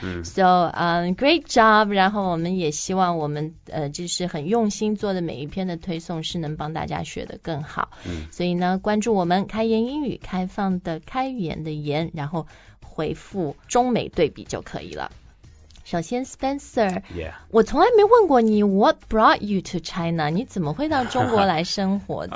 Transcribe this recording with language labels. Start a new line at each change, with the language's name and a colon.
English: Great job,
Chinese: 然后我们也希望我们就是很用心做的每一篇的推送是能帮大家学得更好。所以呢关注我们开言英语开放的开言的言然后回复中美对比就可以了。首先 Spencer、我从来没问过你
English: What brought you to China?
Chinese: 你怎么会到中国来生活的